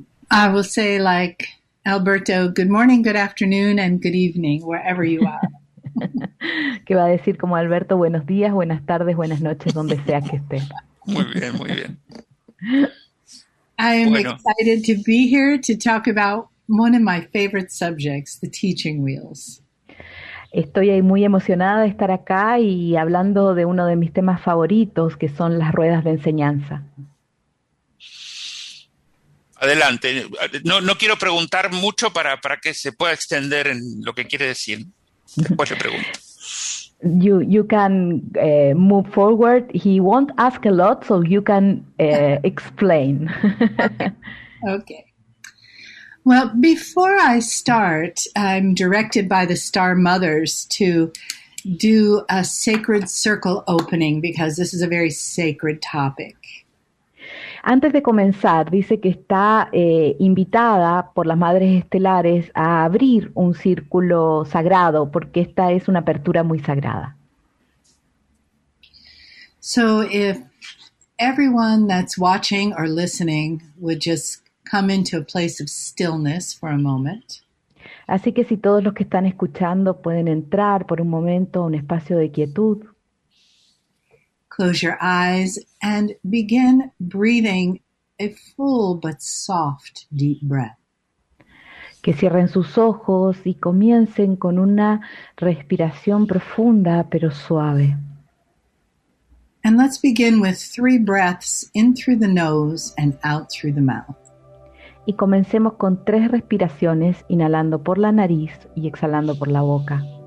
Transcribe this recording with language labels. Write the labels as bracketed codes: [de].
[en] I will say like Alberto, good morning, good afternoon, and good evening, wherever you are. [es] ¿Qué va a decir como Alberto? Buenos días, buenas tardes, buenas noches, donde sea que esté. Muy bien, muy bien. [en] I am excited to be here to talk about one of my favorite subjects, the teaching wheels. [es] Estoy muy emocionada de estar acá y hablando de uno de mis temas favoritos, que son las ruedas de enseñanza. Adelante. No quiero preguntar mucho para que se pueda extender en lo que quiere decir. Después le pregunto. [en] You can move forward. He won't ask a lot, so you can explain. Okay. Well, before I start, I'm directed by the Star Mothers to do a sacred circle opening because this is a very sacred topic. [es] Antes de comenzar, dice que está invitada por las Madres Estelares a abrir un círculo sagrado, porque esta es una apertura muy sagrada. [en] So if everyone that's watching or listening would just come into a place of stillness for a moment. [es] Así que si todos los que están escuchando pueden entrar por un momento a un espacio de quietud. [en] Close your eyes and begin breathing a full but soft deep breath. [es] Que cierren sus ojos y comiencen con una respiración profunda pero suave. [en] And let's begin with three breaths in through the nose and out through the mouth. [es] Y comencemos con tres respiraciones, inhalando por la nariz y exhalando por la boca.